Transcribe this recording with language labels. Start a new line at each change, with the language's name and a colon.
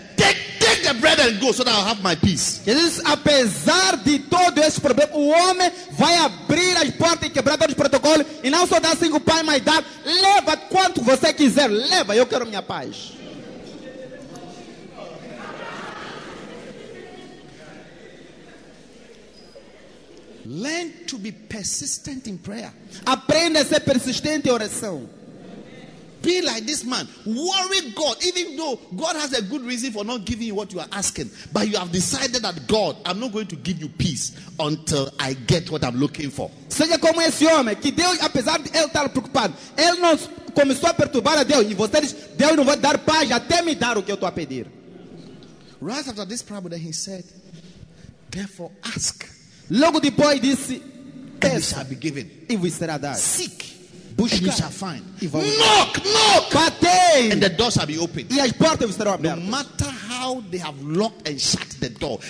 English: Take the bread and go, so that I'll have my peace.
Portuguese: Jesus, apesar de todo esse problema, o homem vai abrir as portas e quebrar todos os protocolos, e não só dar 5 pães, mas dar, leva quanto você quiser, leva, eu quero minha paz.
English: Learn to be persistent in prayer.
Portuguese: Aprenda a ser persistente em oração.
English: Be like this man. Worry God, even though God has a good reason for not giving you what you are asking, but you have decided that God, I'm not going to give you peace until I get what I'm looking for.
Portuguese: Seja como esse homem, que Deus, apesar de ele estar preocupado, ele não começou a perturbar a Deus. E você diz, Deus não vai dar paz até me dar o que eu estou a pedir.
English: Right after this parable, then he said, therefore ask.
Portuguese: Logo depois disse, peça,
English: shall be given.
Portuguese: E vos será dado.
English: Seek.
Portuguese: Busca.
English: And you shall find.
Portuguese: E vai
English: knock,
Portuguese: ver.
English: Knock.
Portuguese: Batei.
English: And the doors shall be opened.
Portuguese: E as portas serão abertas.
English: No matter how they have locked and shut the door.